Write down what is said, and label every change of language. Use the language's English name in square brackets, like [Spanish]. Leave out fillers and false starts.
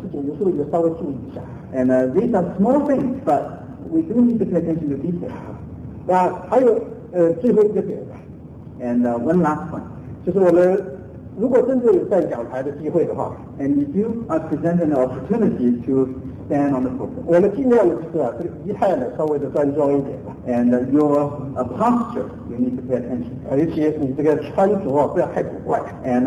[Chinese] 所以这个虽然是个很小的事情，有时候也稍微注意一下。 [English] And these are small things, but we do need to pay attention to detail. [Chinese] 那还有最后一个点。 [English] And one last one. [Chinese] 就是我们如果真正有站讲台的机会的话 [English] ，And if you are presented an opportunity to stand on the pulpit, [Chinese] 我们尽量的是这个仪态呢稍微的端庄一点吧。 [English] And your posture, you need to pay attention. [Chinese] 而且你这个穿着不要太古怪。 [English] And